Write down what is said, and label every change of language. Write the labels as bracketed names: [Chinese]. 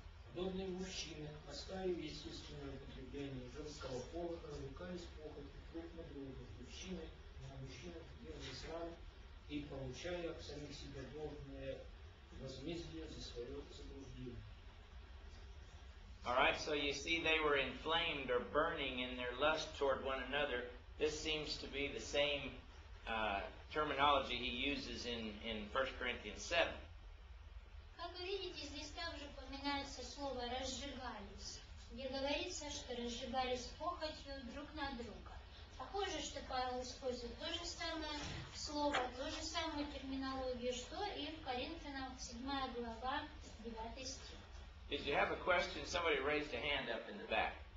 [Russian] Подобные мужчины, оставив естественное употребление женского пола, развлекались похоти друг на друга, мужчины на мужчинах делали срам и получали от самих себя должное возмездие за свое заблуждение. [English] All right, so you see they were inflamed or burning in their lust toward one another. This seems to be the same terminology he uses in 1 Corinthians 7. [Russian] Как вы видите, здесь также упоминается слово «разжигались», где говорится, что разжигались похотью друг на друга. Похоже, что Павел использует то же самое слово, ту же самую терминологию, что и в Коринфянам 7 глава 9 стих. [English] Did you have a question? Somebody raised a hand up in the back.